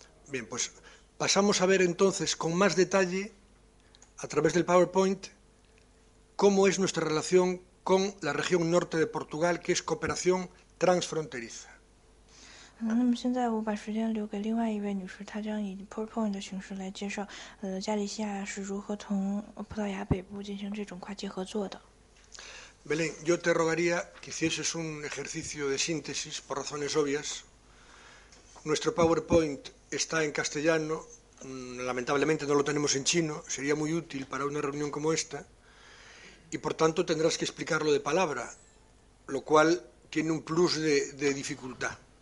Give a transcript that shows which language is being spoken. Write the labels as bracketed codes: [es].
[es] Bien, pues pasamos a ver entonces con más detalle, a través del PowerPoint, cómo es nuestra relación con la región norte de Portugal, que es cooperación transfronteriza. [zh] 那么现在我把时间留给另外一位女士，她将以PowerPoint的形式来介绍，加利西亚是如何同葡萄牙北部进行这种跨界合作的。 [es] Belén, yo te rogaría que hicieses un ejercicio de síntesis por razones obvias. Nuestro PowerPoint está en castellano, lamentablemente no lo tenemos en chino, sería muy útil para una reunión como esta, y por tanto tendrás que explicarlo de palabra, lo cual tiene un plus de dificultad.